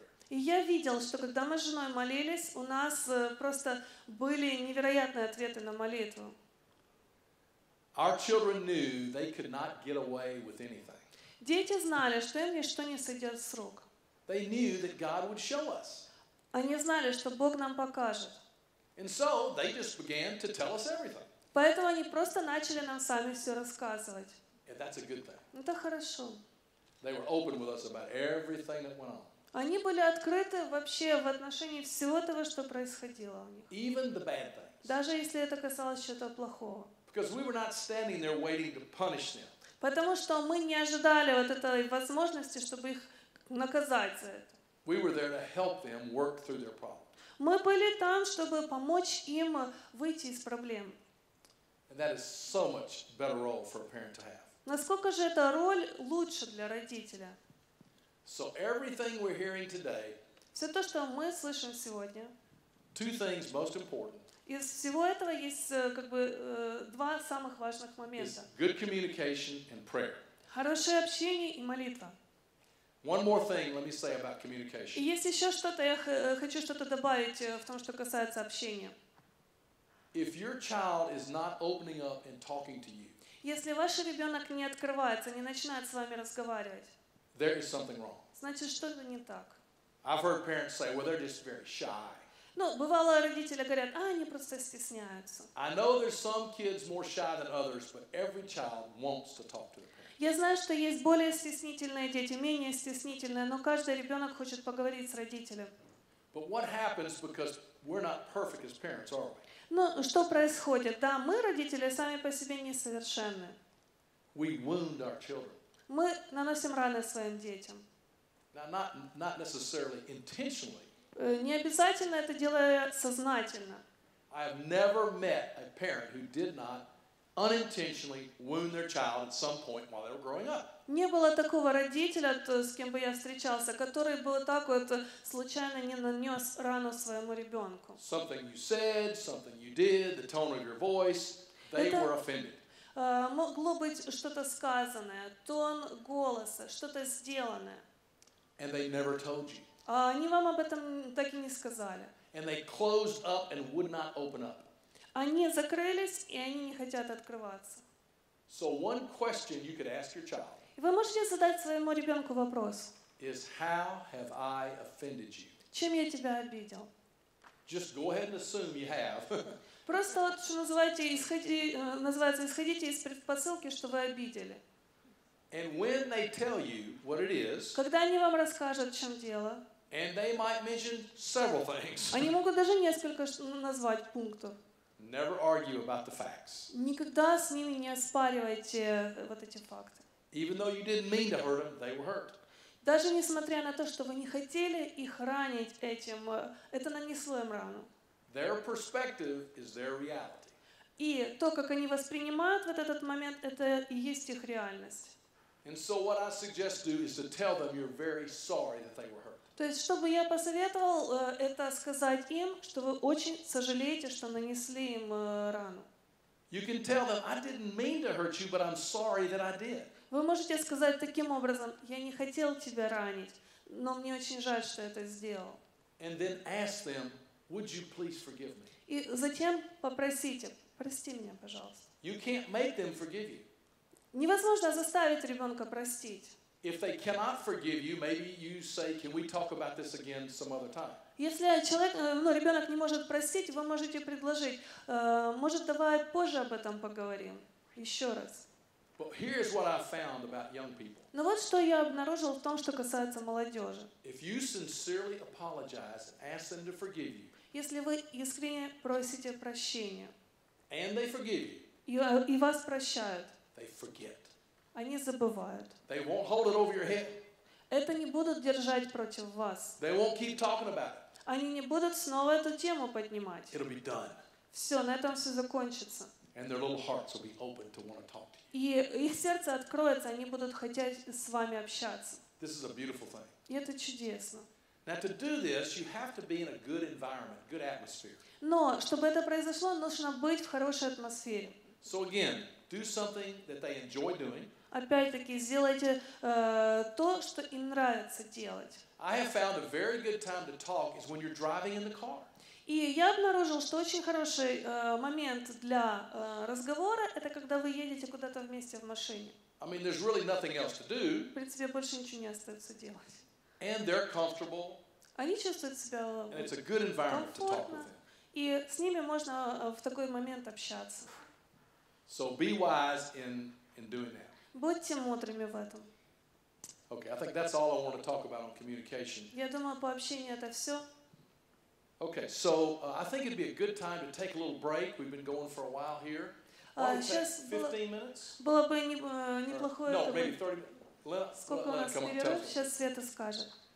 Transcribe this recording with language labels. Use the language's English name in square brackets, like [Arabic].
[Russian] И я видел, что когда мы с женой молились, у нас просто были невероятные ответы на молитву. [English] Our children knew they could not get away with anything. [Russian] Дети знали, что им ничто не сойдет с рук. [English] They knew that God would show us. [Russian] Они знали, что Бог нам покажет. [English] And so they just began to tell us everything. [Russian] Поэтому они просто начали нам сами все рассказывать. [English] And that's a good thing. [Russian] Это хорошо. [English] They were open with us about everything that went on. [Russian] Они были открыты вообще в отношении всего того, что происходило у них. [English] Even the bad things. [Russian] Даже если это касалось чего-то плохого. [English] Because we were not standing there waiting to punish them. [Russian] Потому что мы не ожидали вот этой возможности, чтобы их наказать за это. [English] We were there to help them work through their problems. [Russian] Мы были там, чтобы помочь им выйти из проблем. [English] And that is so much better role for a parent to have. [Russian] Насколько же эта роль лучше для родителя? [English] So everything we're hearing today, [Russian] все то, что мы слышим сегодня, [English] two things most important, [Russian] из всего этого есть как бы два самых важных момента. [English] Good communication and prayer. [Russian] Хорошее общение и молитва. [English] One more thing, let me say about communication. [Russian] Есть еще что-то, я хочу что-то добавить в том, что касается общения. [English] If your child is not opening up and talking to you, [Russian] если ваш ребенок не открывается, не начинает с вами разговаривать, [English] there is something wrong. [Russian] Значит, что-то не так. [English] I've heard parents say, well, they're just very shy. [Russian] Ну, бывало, родители говорят, а, они просто стесняются. [English] I know there's some kids more shy than others, but every child wants to talk to their parents. [Russian] Я знаю, что есть более стеснительные дети, менее стеснительные, но каждый ребенок хочет поговорить с родителем. [English] But what happens because we're not perfect as parents, are we? [Russian] Ну, что происходит? Да, мы, родители, сами по себе несовершенны. [English] We wound our children. [Russian] Мы наносим раны своим детям. [English] Now, not necessarily intentionally. [Russian] Не обязательно это делая сознательно. [English] I have never met a parent who did not unintentionally wound their child at some point while they were growing up. [Russian] Не было такого родителя, с кем бы я встречался, который бы так вот случайно не нанес рану своему ребенку. [English] Something you said, something you did, the tone of your voice, they were offended. [Russian] Могло быть что-то сказанное, тон голоса, что-то сделанное. [English] And they never told you. [Russian] Они вам об этом так и не сказали. [English] And they closed up and would not open up. [Russian] Они закрылись, и они не хотят открываться. [English] So one question you could ask your child. [Russian] Вы можете задать своему ребенку вопрос. [English] Is how have I offended you? [Russian] Чем я тебя обидел? [English] Just go ahead and assume you have. [Russian] Просто вот что называете, исходите из предпосылки, что вы обидели. [English] And when they tell you what it is, [Russian] когда они вам расскажут, в чем дело, [English] and they might mention several things, [Russian] они могут даже несколько назвать пунктов. [English] Never argue about the facts. [Russian] Никогда с ними не оспаривайте вот эти факты. [English] Even though you didn't mean to hurt them, they were hurt. [Russian] Даже несмотря на то, что вы не хотели их ранить этим, это нанесло им рану. [English] Their perspective is their reality. [Russian] И то, как они воспринимают вот этот момент, это и есть их реальность. [English] And so what I suggest do is to tell them you're very sorry that they were hurt. [Russian] То есть, чтобы я посоветовал, это сказать им, что вы очень сожалеете, что нанесли им рану. [English] You can tell them, I didn't mean to hurt you, but I'm sorry that I did. [Russian] Вы можете сказать таким образом, я не хотел тебя ранить, но мне очень жаль, что это сделал. [English] And then ask them, would you please forgive me? [Russian] И затем попросите, прости меня, пожалуйста. [English] You can't make them forgive you. [Russian] Невозможно заставить ребенка простить. [English] If they cannot forgive you, maybe you say, can we talk about this again some other time? [Russian] Если человек, ну, ребенок не может простить, вы можете предложить, может, давай позже об этом поговорим еще раз. [English] But here's what I found about young people. [Russian] Но вот что я обнаружил в том, что касается молодежи. [English] If you sincerely apologize and ask them to forgive you, [Russian] если вы искренне просите прощения, [English] and they forgive you, [Russian] и вас прощают, [English] they forget. [Russian] Они забывают. [English] They won't hold it over your head. [Russian] Это не будут держать против вас. [English] They won't keep talking about it. [Russian] Они не будут снова эту тему поднимать. [English] It'll be done. [Russian] Все, на этом все закончится. [English] And their little hearts will be open to want to talk to you. [Russian] И их сердце откроется, они будут хотеть с вами общаться. [English] This is a beautiful thing. [Russian] И это чудесно. [English] Now to do this, you have to be in a good environment, good atmosphere. [Russian] Но чтобы это произошло, нужно быть в хорошей атмосфере. [English] So again, do something that they enjoy doing. [Russian] Опять-таки, сделайте то, что им нравится делать. [English] I have found a very good time to talk is when you're driving in the car. [Russian] И я обнаружил, что очень хороший момент для разговора это когда вы едете куда-то вместе в машине. [English] I mean, there's really nothing else to do. [Russian] В принципе, больше ничего не остается делать. [English] And they're comfortable. [Russian] Они чувствуют себя комфортно. [English] And it's a good environment to talk with them. [Russian] И с ними можно в такой момент общаться. [English] So be wise in doing that. [Russian] Будьте мудрыми в этом. [English] Okay, I think that's all I want to talk about on communication. [Russian] Я думаю, по общению это все. [English] Okay, so I think it'd be a good time to take a little break. We've been going for a while here. [Russian] Сейчас [English] 15 minutes. [Russian] Было бы неплохое. [English] No, maybe 30 minutes. [Russian] Сколько у нас перерыв? Сейчас Света скажет.